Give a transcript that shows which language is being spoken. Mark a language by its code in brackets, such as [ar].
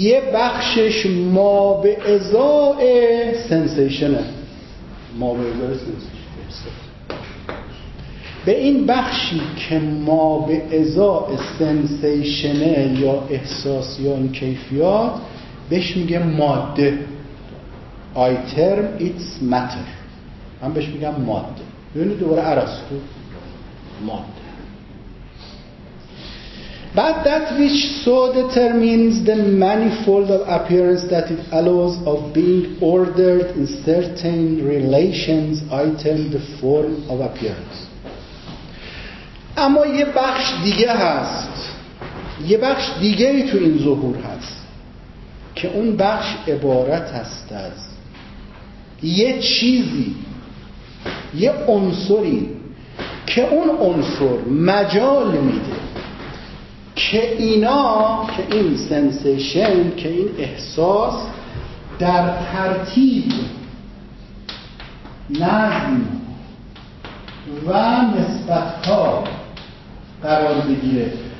[fa] یه بخشش ما به ازای سنسیشنه، ما به ازای سنسیشن، به این بخشی که ما به ازای سنسیشنه یا احساس یا این کیفیات بهش میگه ماده. I term its matter، من بهش میگم ماده. ببینید دوباره ارسطو، ماده. [en] But that which so determines the manifold of appearance that it allows of being ordered in certain relations, I term the form of appearance. [fa] اما یه بخش دیگه هست، یه بخش دیگه ای تو این ظهور هست که اون بخش عبارت هست از یه چیزی، یه عنصری که اون عنصر مجال میده که اینا، که این سنسیشن، که این احساس در ترتیب نظم و نسبت ها قرار بگیره.